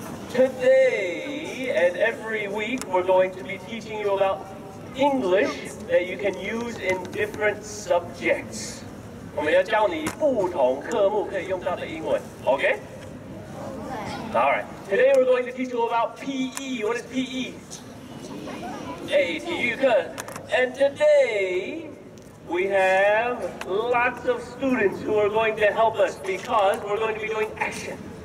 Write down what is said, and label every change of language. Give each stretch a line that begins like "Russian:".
English: Today and every week, we're going to be teaching you about English that you can use in different subjects.
Chinese: 我们要教你不同科目可以用到的英文 ，OK？
English: All right. Today we're going to teach you about PE. What is PE? A PE 课. And today we have lots of students who are going to help us because we're going to be doing action.